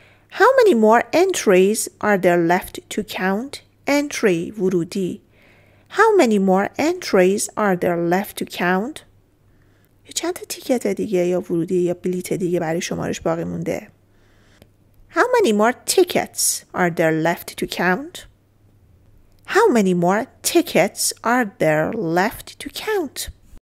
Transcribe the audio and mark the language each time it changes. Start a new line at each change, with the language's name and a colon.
English: How many more entries are there left to count? Entry, ورودی. How many more entries are there left to count?
Persian: یه چند تا تیکت دیگه یا ورودی یا بلیت دیگه برای شمارش باقی مونده.
English: How many more tickets are there left to count? How many more tickets are there left to count?